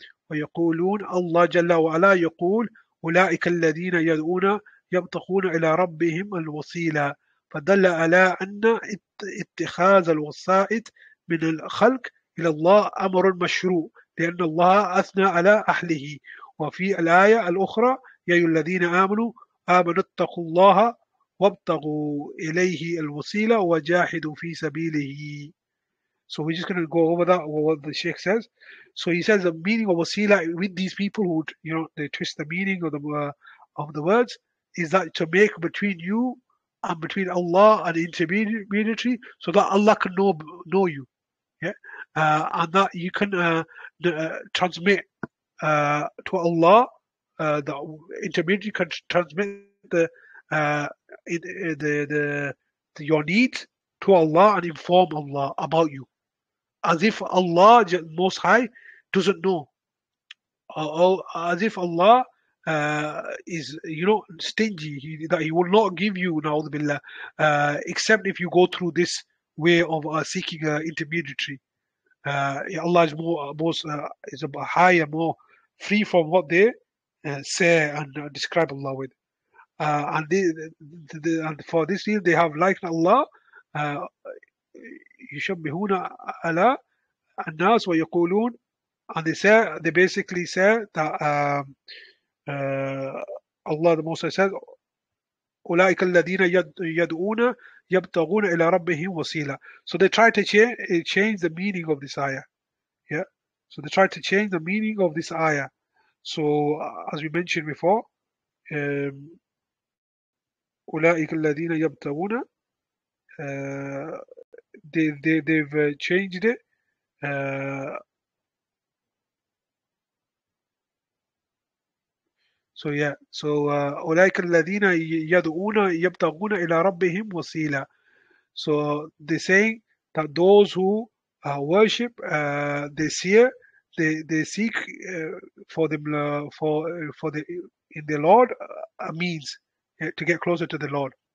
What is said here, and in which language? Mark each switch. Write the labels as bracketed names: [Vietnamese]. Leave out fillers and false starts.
[Arabic] ويقولون الله جل وعلا يقول أولئك الذين يدعون يبتغون إلى ربهم الوسيلة فدل على أن اتخاذ الوسائط من الخلق إلى الله أمر مشروع لأن الله أثنى على أهله وفي الآية الأخرى يا أيها الذين آمنوا اتقوا الله وابتغوا إليه الوسيلة وجاهدوا في سبيله. [English] So we're just going to go over that, what the Sheikh says. So he says the meaning of wasila with these people who, you know, they twist the meaning of the words, is that to make between you and between Allah an intermediary so that Allah can know you. Yeah, and that you can transmit to Allah, the intermediary can transmit the your needs to Allah and inform Allah about you. As if Allah, Most High, doesn't know. As if Allah is, you know, stingy. That He will not give you, na'udhu billah, except if you go through this way of seeking an intermediary. Allah is more free from what they say and describe Allah with. And for this reason, they have likened Allah. [Arabic] يُشَبِّهُونَ عَلَى الناس ويقولون, [English] and they basically say that Allah the Most High says, [Arabic] أولئك الذين يدعون يبتغون إلى ربهم وسيلة. [English] So they try to change the meaning of this ayah. Yeah. So they try to change the meaning of this ayah. So as we mentioned before, [Arabic] أولئك الذين يبتغون, [English] they've changed it. Uh, So yeah, so [Arabic] أولئك الذين يدعون يبتغون إلى ربهم وسيلة. [English] So they say that those who worship, they see, they seek for them for the in the Lord a means to get closer to the Lord.